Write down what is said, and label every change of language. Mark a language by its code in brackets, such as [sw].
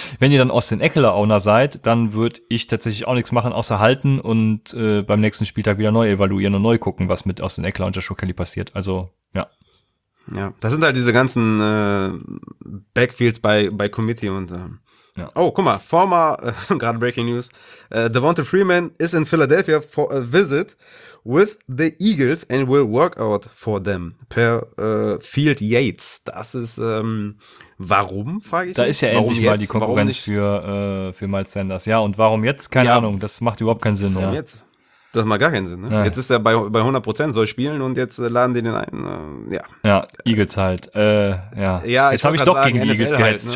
[de] Wenn ihr dann Austin Ekeler Owner seid, dann würde ich tatsächlich auch nichts machen, außer halten und beim nächsten Spieltag wieder neu evaluieren und neu gucken, was mit Austin Ekeler und Joshua Kelly passiert. Also, ja. Ja, das sind halt diese ganzen Backfields bei Committee und Oh, guck mal, gerade Breaking News. [en] Devonta Freeman is in Philadelphia for a visit with the Eagles and will work out for them per Field Yates. [de] Das ist, warum, frage ich da mich. Da ist ja warum endlich jetzt? Mal die Konkurrenz für Miles Sanders. Ja, und warum jetzt? Keine Ahnung, das macht überhaupt keinen Sinn. Warum jetzt? Das macht gar keinen Sinn. Ne? Jetzt ist er bei 100%, soll spielen und jetzt laden die den ein. Eagles halt. Ja. Jetzt habe ich doch gegen die Eagles gehetzt.